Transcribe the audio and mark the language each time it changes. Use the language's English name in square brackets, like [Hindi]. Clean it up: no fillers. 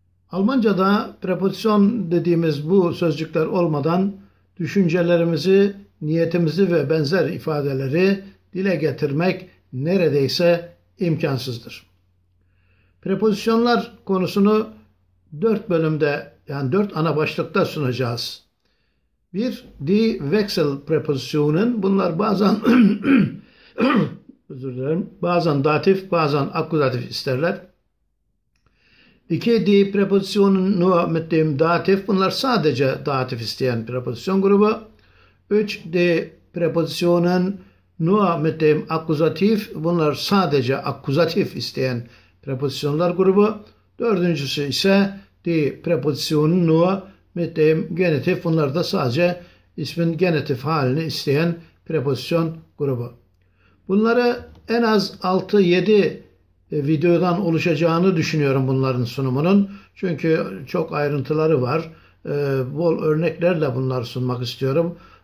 [Turkish] Almanca'da preposition dediğimiz bu sözcükler olmadan düşüncelerimizi, niyetimizi ve benzer ifadeleri dile getirmek neredeyse imkansızdır. Prepozisyonlar konusunu 4 bölümde, yani 4 ana başlıkta sunacağız. 1. [German] Die Wechselpräpositionen. [Turkish] Bunlar bazen özür dilerim. Bazen datif, bazen akkuzatif isterler. 2. [German] Die Präpositionen nur mit dem Dativ. [Turkish] Bunlar sadece datif isteyen prepozisyon grubu. 3. [German] Die Präpositionen nur mit dem Akkusativ. [Turkish] Bunlar sadece akkusativ isteyen prepozisyonlar grubu. Dördüncüsü ise [German] die Präpositionen nur mit dem Genitiv. [Turkish] Bunlar da sadece ismin genitif halini isteyen prepozisyon grubu. Bunları en az 6-7 videodan oluşacağını düşünüyorum bunların sunumunun. Çünkü çok ayrıntıları var. Bol örneklerle bunları sunmak istiyorum.